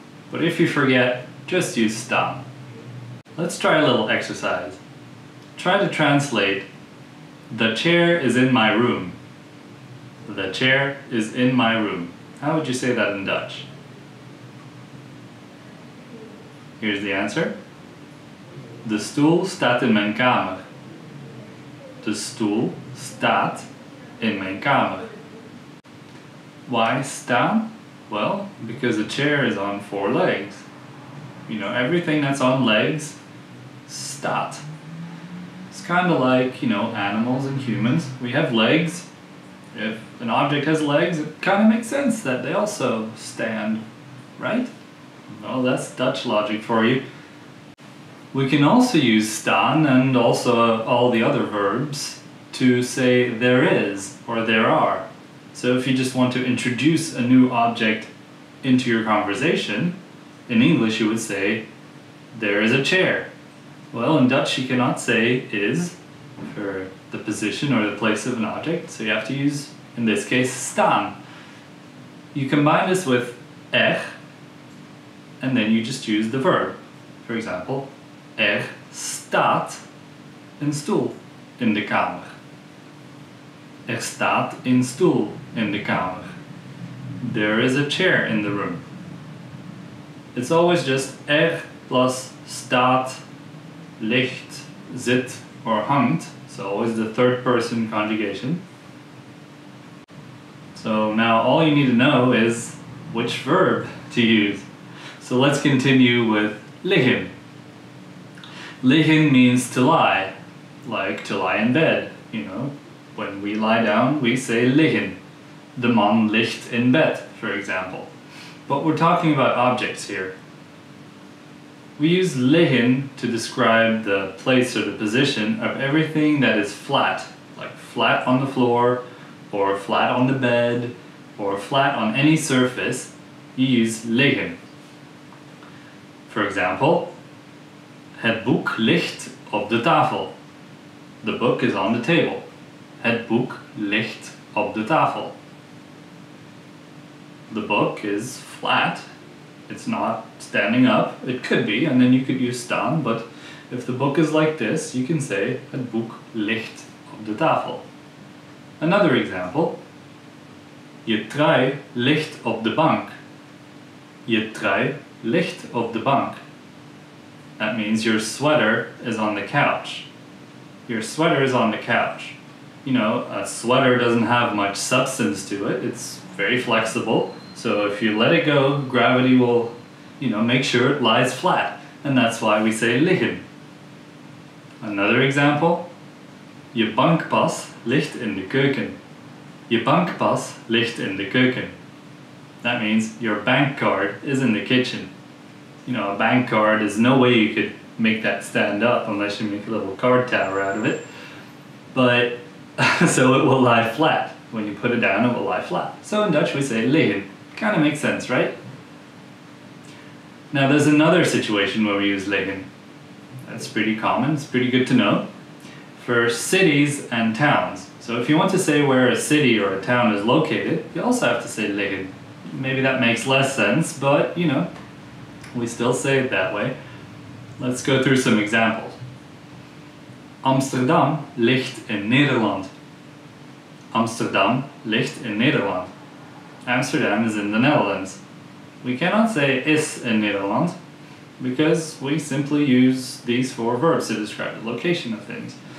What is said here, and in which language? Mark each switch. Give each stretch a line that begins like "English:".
English: But if you forget, just use staan. Let's try a little exercise. Try to translate, the chair is in my room. The chair is in my room. How would you say that in Dutch? Here's the answer.
Dutch: De stoel staat in mijn kamer. De stoel staat in mijn kamer.
English: Why staan? Well, because a chair is on four legs. You know, everything that's on legs, staat. It's kind of like, you know, animals and humans. We have legs. If an object has legs, it kind of makes sense that they also stand, right? Well, that's Dutch logic for you. We can also use staan and also all the other verbs to say there is or there are. So if you just want to introduce a new object into your conversation, in English you would say, there is a chair. Well, in Dutch you cannot say is for the position or the place of an object, so you have to use, in this case, staan. You combine this with er, and then you just use the verb.
Dutch: For example, er staat een stoel in de kamer. Er staat een stoel in de kamer.
English: There is a chair in the room. It's always just er plus staat, ligt, zit, or hangt. So always the third person conjugation. So now all you need to know is which verb to use. So let's continue with liggen. Liggen means to lie, like to lie in bed. You know, when we lie down, we say liggen.
Dutch: De man ligt in bed,
English: for example. But we're talking about objects here. We use liggen to describe the place or the position of everything that is flat, like flat on the floor, or flat on the bed, or flat on any surface. You use liggen.
Dutch: For example, het boek ligt op de tafel.
English: The book is on the table.
Dutch: Het boek ligt op de tafel.
English: The book is flat. It's not standing up. It could be, and then you could use staan, but if the book is like this, you can say
Dutch: het boek ligt op de tafel.
English: Another example.
Dutch: Je trui ligt op de bank. Je trui ligt op de bank.
English: That means your sweater is on the couch. Your sweater is on the couch. You know, a sweater doesn't have much substance to it. It's very flexible. So if you let it go, gravity will, you know, make sure it lies flat. And that's why we say liggen. Another example.
Dutch: Je bankpas ligt in de keuken. Je bankpas ligt in de keuken.
English: That means your bank card is in the kitchen. You know, a bank card is no way you could make that stand up unless you make a little card tower out of it. But, so it will lie flat. When you put it down, it will lie flat. So in Dutch we say liggen. Kind of makes sense, right? Now there's another situation where we use liggen. That's pretty common, it's pretty good to know. For cities and towns. So if you want to say where a city or a town is located, you also have to say liggen. Maybe that makes less sense, but you know, we still say it that way. Let's go through some examples.
Dutch: Amsterdam ligt in Nederland. Amsterdam ligt in Nederland.
English: Amsterdam is in the Netherlands. We cannot say
Dutch: is in Nederland
English: because we simply use these four verbs to describe the location of things.